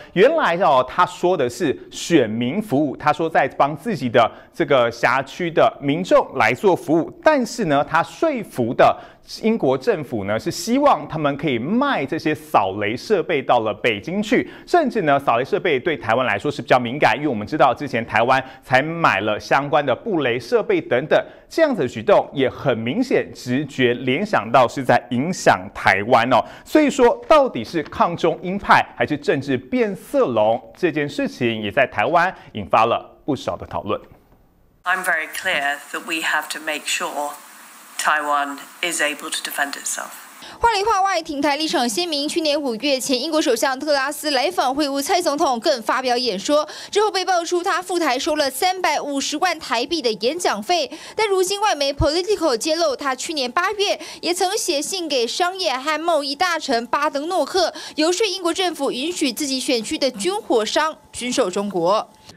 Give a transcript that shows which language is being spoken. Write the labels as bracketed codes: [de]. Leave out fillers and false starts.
[zh] 原来哦，他说的是选民服务，他说在帮自己的这个辖区的民众来做服务，但是呢他说服的英国政府呢是希望他们可以卖这些扫雷设备到了北京去，甚至呢扫雷设备对台湾来说是比较敏感，因为我们知道之前台湾才买了相关的布雷设备等等，这样子的举动也很明显直觉联想到是在影响台湾哦。所以说到底是抗中鹰派还是政治变色龙，这件事情也在台湾引发了不少的讨论。 [en] I'm very clear that we have to make sureTaiwan is able to defend itself. [zh] 话里话外，亭台立场鲜明。去年五月前，英国首相特拉斯来访会晤蔡总统，更发表演说。之后被爆出他赴台收了350万台币的演讲费，但如今外媒 Politico 揭露，他去年八月也曾写信给商业和贸易大臣巴登诺克，游说英国政府允许自己选区的军火商军售中国。